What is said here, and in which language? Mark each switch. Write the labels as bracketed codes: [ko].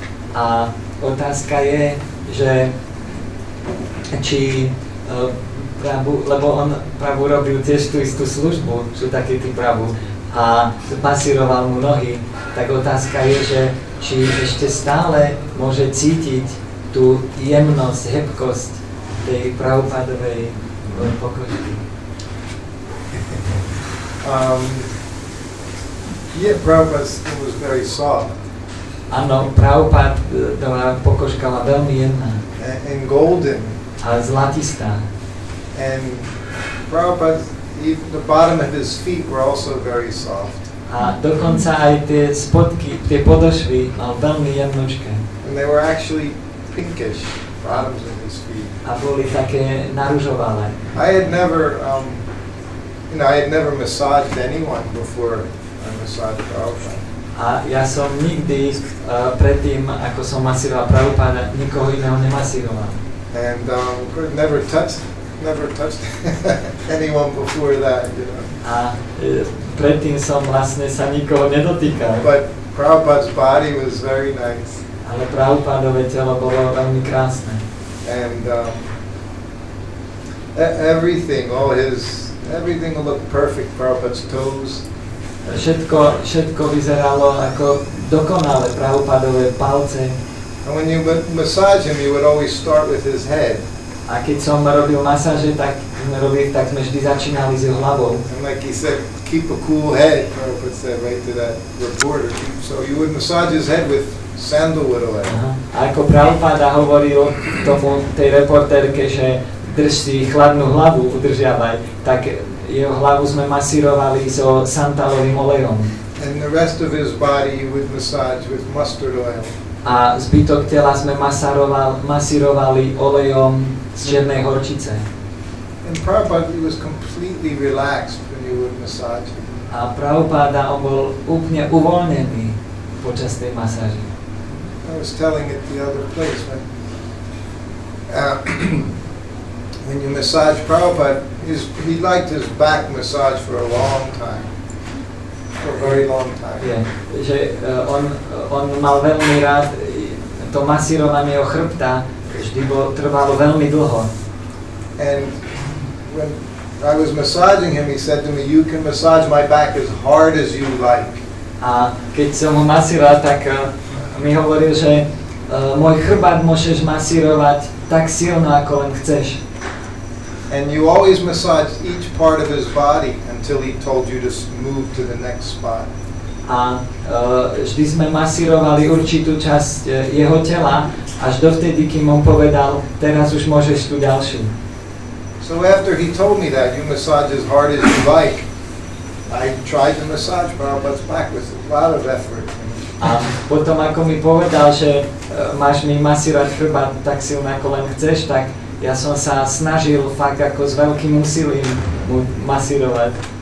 [sk] A otázka je, že či Prabhu, lebo on Prabhu robil tiež tú istú službu, sú taký tí Prabhu, a masíroval mu nohy, tak otázka je, že či ešte stále môže cítiť tú jemnosť, hebkosť tej Prabhupádovej pokožky. [en] Yeah, Prabhupada's skin was very soft. [sk] Áno, Prabhupádová pokožka bola veľmi jemná. [en] And golden. [sk] A zlatistá. [en] And Prabhupada's, even the bottom of his feet were also very soft. [sk] A dokonca aj tie spodky, tie podošvy mal veľmi jemnočké. [en] And they were actually pinkish, bottoms of his feet. [sk] A boli také narúžovalé. [en] I had never massaged anyone before I massaged Prabhupada. [sk] A ja som nikdy predtým, ako som masíroval Prabhupada, nikoho iného nemasíroval. [en] And never touched anyone before that, you know. [sk] A predtým som vlastne sa nikoho nedotýkal. [en] But Prabhupada's body was very nice. [sk] Ale Prabhupádové telo bolo veľmi krásne. [en] And everything looked perfect, Prabhupada's toes. [sk] Všetko vyzeralo ako dokonale, Prabhupádové palce. [en] And when you massage him, you would always start with his head. [sk] A keď som robil masáže, tak sme vždy začínali s jeho hlavou. [en] And like he said, keep a cool head, Prabhupada said right to that reporter. So you would massage his head with sandalwood oil. [sk] A ako Prabhupáda hovoril tomu tej reportérke, že drž si chladnú hlavu, udržiavaj, tak jeho hlavu sme masírovali so santalovým olejom. [en] And the rest of his body you would massage with mustard oil. [sk] A zbytok tela sme masírovali olejom z čiernej horčice. [en] And Prabhupada was completely relaxed when you would massage him. [sk] A Prabhupada bol úplne uvoľnený počas tej masáže. [en] I was telling it the other place, but when you massage Prabhupada, he liked his back massage for a long time. For a very long time. Yeah. [sk] Že on mal veľmi rád to masírovanie jeho chrbta, vždy bo trvalo veľmi dlho. [en] And when I was massaging him, he said to me, "You can massage my back as hard as you like." [sk] A keď som ho masíroval, tak mi hovoril, že môj chrbát môžeš masírovať tak silno, ako len chceš. [en] And you always massage each part of his body until he told you to move to the next spot. [sk] A vždy sme masírovali určitú časť jeho tela, až dovtedy, kým on povedal, teraz už môžeš tú ďalšiu. [en] So after he told me that, you massage as hard as you like, I tried to massage Prabhupada's back with a lot of effort. [sk] A potom, ako mi povedal, že máš mi masírovať chrbát tak silno, ako len chceš, tak ja som sa snažil fakt ako s veľkým úsilím mu masírovať.